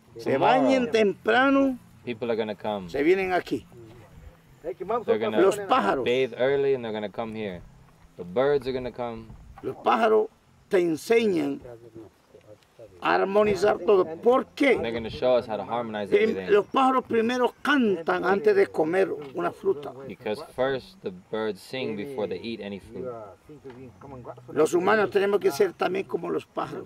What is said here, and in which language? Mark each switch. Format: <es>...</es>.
<es>Se bañen temprano.</es> <en>People are going to come.</en> <es>Se vienen aquí.</es> <en>They're going to bathe early and they're going to come here. The birds are going to come.</en> <es>Los pájaros te enseñan a armonizar todo. ¿Por qué?</es> <en>They're going to show us how to harmonize everything.</en> <es>Los pájaros primero cantan antes de comer una fruta.</es> <en>Because first the birds sing before they eat any food.</en> <es>Los humanos tenemos que ser también como los pájaros.</es>